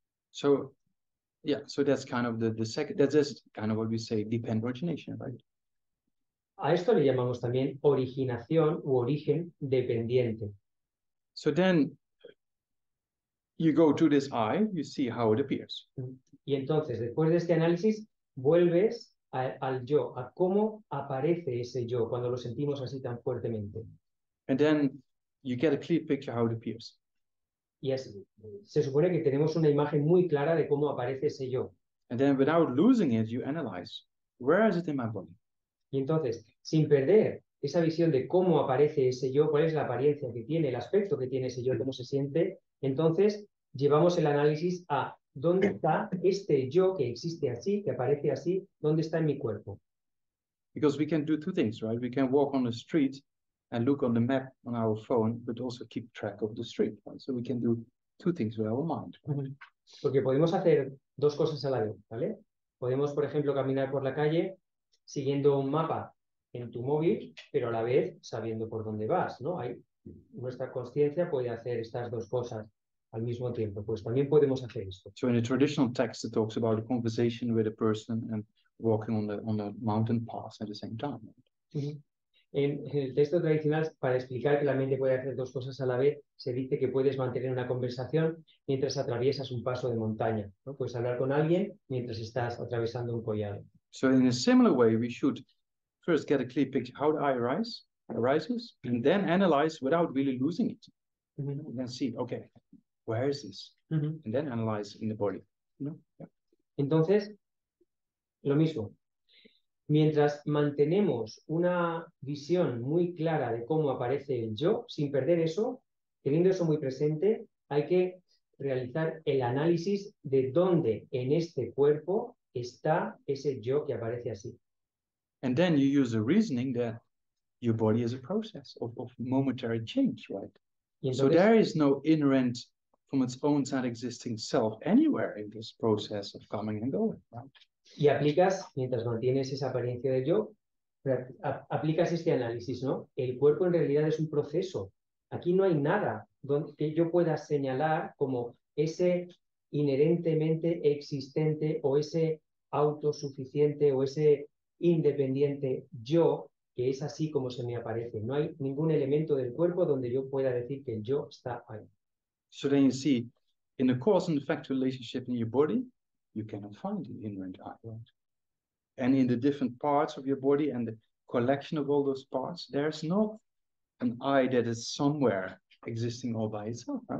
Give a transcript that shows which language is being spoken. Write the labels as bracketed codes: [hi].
[en] So, yeah, so that's kind of the second, that's just kind of what we say, dependent origination, right? [es] A esto le llamamos también originación u origen dependiente. [en] So then... You go to this eye, you see how it appears. [es] Y entonces, después de este análisis, vuelves al yo, a cómo aparece ese yo cuando lo sentimos así tan fuertemente. [en] And then you get a clear picture how it appears. [es] Y así, se supone que tenemos una imagen muy clara de cómo aparece ese yo. [en] And then without losing it, you analyze, where is it in my body? [es] Y entonces, sin perder esa visión de cómo aparece ese yo, cuál es la apariencia que tiene, el aspecto que tiene ese yo, cómo se siente, entonces llevamos el análisis a dónde está este yo que existe así, que aparece así, dónde está en mi cuerpo. [en] Because we can do two things, right? We can walk on the street and look on the map on our phone, but also keep track of the street, right? So we can do two things with our mind. [es] Porque podemos hacer dos cosas a la vez, ¿vale? Podemos, por ejemplo, caminar por la calle siguiendo un mapa en tu móvil, pero a la vez sabiendo por dónde vas, ¿no? Hay, nuestra conciencia puede hacer estas dos cosas al mismo tiempo. Pues también podemos hacer esto. [en] So in a traditional text, it talks about a conversation with a person and walking on the mountain pass at the same time. [es] En el texto tradicional, para explicar que la mente puede hacer dos cosas a la vez, se dice que puedes mantener una conversación mientras atraviesas un paso de montaña, ¿no? Puedes hablar con alguien mientras estás atravesando un collado. [en] So in a similar way, we should first get a clear picture how the eye arises, and then analyze without really losing it. Mm-hmm. And then see, okay, where is this? Mm-hmm. And then analyze in the body. You know? Yeah. [es] Entonces, lo mismo. Mientras mantenemos una visión muy clara de cómo aparece el yo, sin perder eso, teniendo eso muy presente, hay que realizar el análisis de dónde en este cuerpo está ese yo que aparece así. [en] And then you use the reasoning that your body is a process of momentary change, right? [es] Entonces, [en] so there is no inherent from its own non-existing self anywhere in this process of coming and going, right? [es] Y aplicas, mientras mantienes esa apariencia de yo, aplicas este análisis, ¿no? El cuerpo en realidad es un proceso. Aquí no hay nada que yo pueda señalar como ese inherentemente existente o ese autosuficiente o ese independiente yo que es así como se me aparece. No hay ningún elemento del cuerpo donde yo pueda decir que el yo está ahí. [en] So then you see, in a cause and effect relationship in your body, you cannot find the inherent I, right? And in the different parts of your body and the collection of all those parts, there's not an I that is somewhere existing all by itself, right?